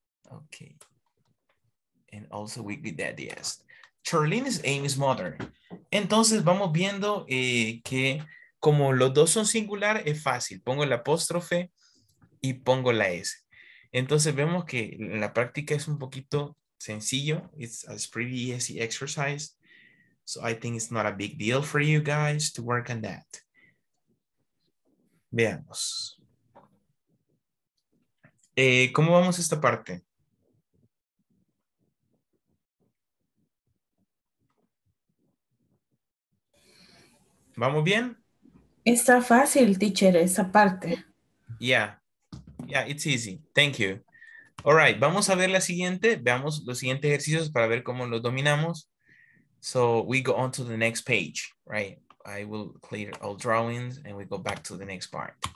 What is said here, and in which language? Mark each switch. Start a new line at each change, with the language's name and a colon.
English: Okay. And also we get that, yes. Charlene is Amy's mother.
Spanish: Entonces vamos viendo que como los dos son singular, es fácil. Pongo el apóstrofe y pongo la S. Entonces vemos que la práctica es un poquito sencillo.
English: It's pretty easy exercise. So I think it's not a big deal for you guys to work on that.
Spanish: Veamos. ¿Cómo vamos a esta parte? ¿Vamos bien? Está fácil, teacher, esa parte.
English: Yeah, it's easy. Thank you. All right,
Spanish: vamos a ver la siguiente. Veamos los siguientes ejercicios para ver cómo los dominamos.
English: So we go on to the next page, right? I will clear all drawings and we go back to the next part.